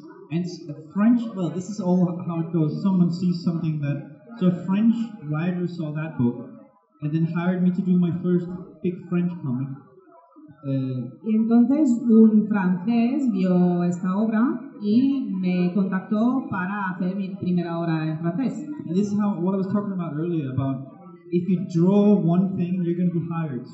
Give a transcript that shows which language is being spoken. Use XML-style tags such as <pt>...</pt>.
<en>And a French, well, this is all how it goes. Someone sees something that so a French writer saw that book and then hired me to do my first big French comic.</en> <es>Y entonces un francés vio esta obra y me contactó para hacer mi primera obra en francés.</es> <en>And this is how what I was talking about earlier about if you draw one thing, you're going to be hired.</en>